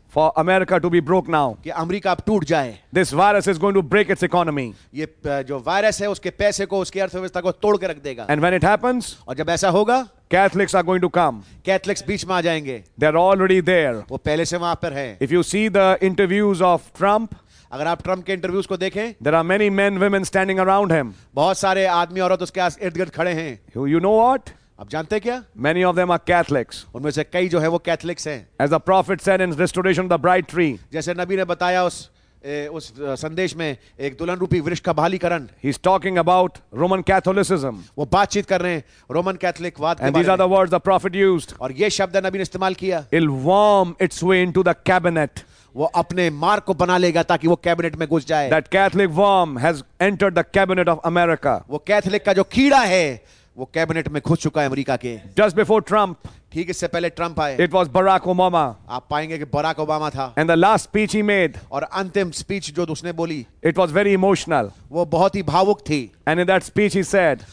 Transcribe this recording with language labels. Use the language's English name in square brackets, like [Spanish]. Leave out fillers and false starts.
[English] For America to be broke now. [Hindi] कि America अब टूट जाए. [English] This virus is going to break its economy. [Hindi] ये जो वायरस है उसके पैसे को उसकी अर्थव्यवस्था को तोड़ के रख देगा. [English] And when it happens, [Hindi] और जब ऐसा होगा, [English] Catholics are going to come. [Hindi] Catholics बीच में आ जाएंगे. [English] They're already there. [Hindi] वो पहले से वहाँ पर हैं. [English] If you see the interviews of Trump, [Hindi] अगर आप ट्रंप के इंटरव्यूज को देखें, [English] there are many men, women standing around him. [Hindi] बहुत सारे आदमी औरत उसके इर्द-गिर्द खड़े हैं. [English] You know what? [Hindi] अब जानते क्या? [English] Many of them are Catholics. [Hindi] उनमें से कई जो हैं वो Catholics हैं. [English] As the prophet said in restoration of the bright tree. [Hindi] जैसे नबी ने बताया उस संदेश में एक दुल्हन रूपी वृक्ष का बहालीकरण [English] He's talking about Roman Catholicism. [Hindi] वो बातचीत कर रहे हैं रोमन कैथोलिक वाद [English] And these are the words the prophet used. [Hindi] और ये शब्द नबी ने इस्तेमाल किया [English] It'll warm its way into the cabinet. [Hindi] वो अपने मार्ग को बना लेगा ताकि वो कैबिनेट में घुस जाए [English] That Catholic worm has entered the cabinet of America. [Hindi] वो कैथोलिक का जो कीड़ा है वो कैबिनेट में घुस चुका है अमेरिका के [English] just before Trump [Hindi] ठीक इससे पहले ट्रंप आए [English] it was Barack Obama [Hindi] आप पाएंगे कि बराक ओबामा था [English] and the last speech he made [Hindi] और अंतिम स्पीच जो उसने बोली [English] it was very emotional [Hindi] वो बहुत ही भावुक थी [English] and in that speech he said